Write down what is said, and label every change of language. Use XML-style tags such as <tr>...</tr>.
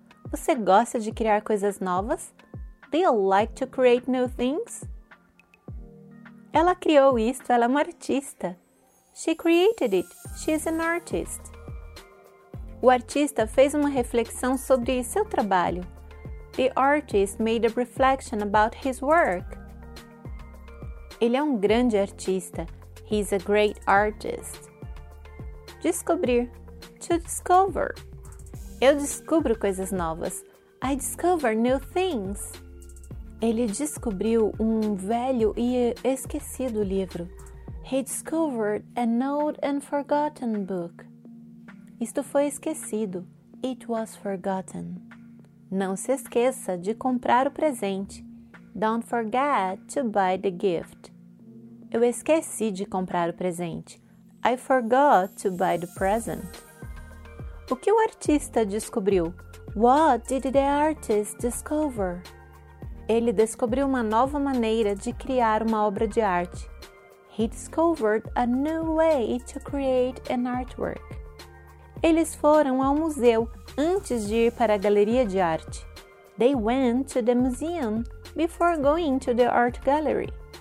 <pt>Você gosta de criar coisas novas?</pt> <en>Do you like to create new things?</en> <pt>Ela criou isto, ela é uma artista.</pt> <en>She created it. She is an artist.</en> <pt>O artista fez uma reflexão sobre seu trabalho.</pt> <en>The artist made a reflection about his work.</en> <pt>Ele é um grande artista.</pt> <en>He is a great artist.</en> <pt>Descobrir.</pt> <en>To discover.</en> <pt>Eu descubro coisas novas.</pt> <en>I discover new things.</en> <pt>Ele descobriu um velho e esquecido livro.</pt> <en>He discovered an old and forgotten book.</en> <pt>Isto foi esquecido.</pt> <en>It was forgotten.</en> <pt>Não se esqueça de comprar o presente.</pt> <en>Don't forget to buy the gift.</en> <pt>Eu esqueci de comprar o presente.</pt> <en>I forgot to buy the present.</en> <pt>O que o artista descobriu?</pt> <en>What did the artist discover?</en> <pt>Ele descobriu uma nova maneira de criar uma obra de arte.</pt> <en>He discovered a new way to create an artwork.</en> <pt>Eles foram ao museu antes de ir para a galeria de arte.</pt> <en>They went to the museum before going to the art gallery.</en>